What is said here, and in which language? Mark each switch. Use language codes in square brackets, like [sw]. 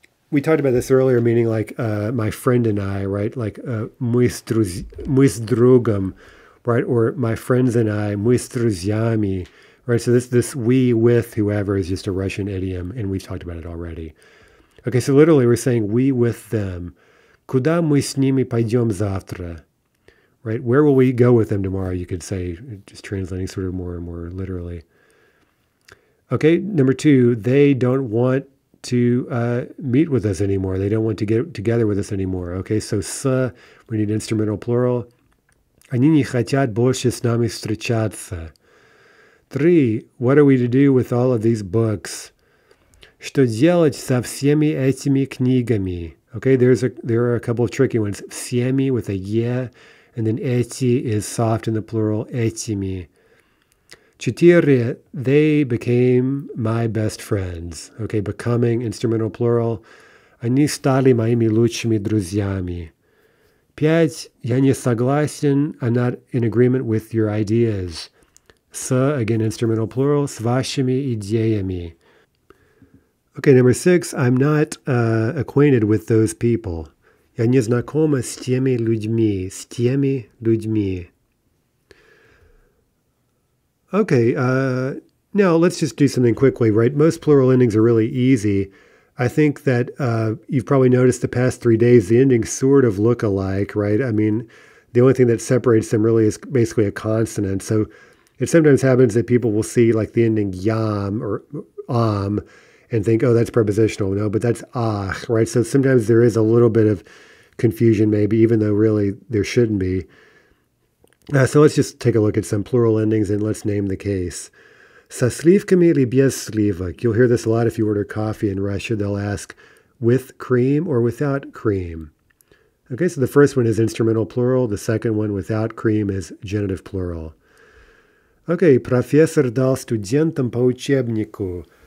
[en] We talked about this earlier, meaning like my friend and I, right? [ru] Like мы с другом, right? [en] Or my friends and I, [ru] мы с друзьями. [en] Right, so this we with whoever is just a Russian idiom, and we've talked about it already. Okay, so literally we're saying we with them. [ru] Куда мы с ними пойдем завтра? [en] Right, where will we go with them tomorrow, you could say, just translating sort of more and more literally. Okay, number two, they don't want to meet with us anymore. They don't want to get together with us anymore. Okay, so с, we need instrumental plural. [ru] Они не хотят больше с нами встречаться. [en] Three, what are we to do with all of these books? [ru] Что делать со всеми этими книгами? [en] Okay, there are a couple of tricky ones. Всеми with a е, and then эти is soft in the plural, этими. Четыре, they became my best friends. Okay, becoming, instrumental plural. [ru] Они стали моими лучшими друзьями. Пять, я не согласен, [en] I'm not in agreement with your ideas. С, again, instrumental plural, [ru] с вашими идеями. [en] Okay, number six, I'm not acquainted with those people. [ru] Я не знакома с теми людьми, с теми людьми. [en] Okay, now let's just do something quickly, right? Most plural endings are really easy. I think that you've probably noticed the past 3 days, the endings sort of look alike, right? I mean, the only thing that separates them really is basically a consonant. So it sometimes happens that people will see like the ending yam or am and think, oh, that's prepositional. No, but that's ah, right? So sometimes there is a little bit of confusion maybe, even though really there shouldn't be. So let's just take a look at some plural endings and let's name the case. [ru] Со сливками или без сливок? [en] You'll hear this a lot if you order coffee in Russia. They'll ask with cream or without cream. Okay, so the first one is instrumental plural. The second one without cream is genitive plural. [ru] Okay, profesor dal studentam po uchebniku.